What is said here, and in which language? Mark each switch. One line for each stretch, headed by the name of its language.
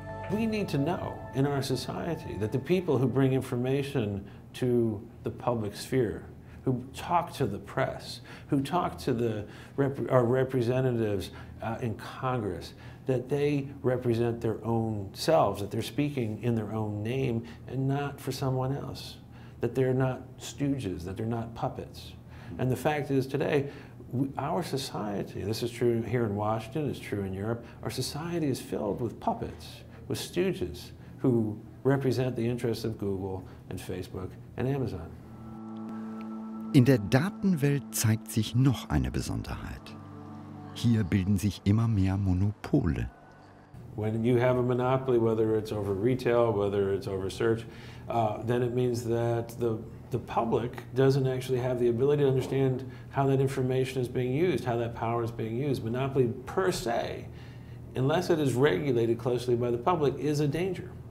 English: We need to know in our society that the people who bring information to the public sphere, who talk to the press, who talk to the our representatives in Congress, that they represent their own selves, that they're speaking in their own name and not for someone else, that they're not stooges, that they're not puppets. And the fact is today, our society, this is true here in Washington, it's true in Europe, our society is filled with puppets, with stooges who represent the interests of Google and Facebook and Amazon.
German: In der Datenwelt zeigt sich noch eine Besonderheit. Hier bilden sich immer mehr Monopole.
English: When you have a monopoly, whether it's over retail, whether it's over search, then it means that the public doesn't actually have the ability to understand how that information is being used, how that power is being used. Monopoly per se, unless it is regulated closely by the public, is a danger.